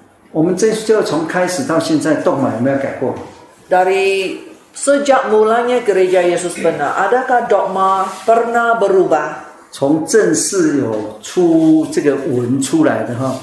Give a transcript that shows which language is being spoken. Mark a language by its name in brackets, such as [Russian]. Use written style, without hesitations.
[Chinese] 我们这就从开始到现在dogma有没有改过? [Malay] Dari sejak mulanya gereja Yesus benar, adakah dogma pernah berubah? [Chinese] 从正式有出这个文出来的哈。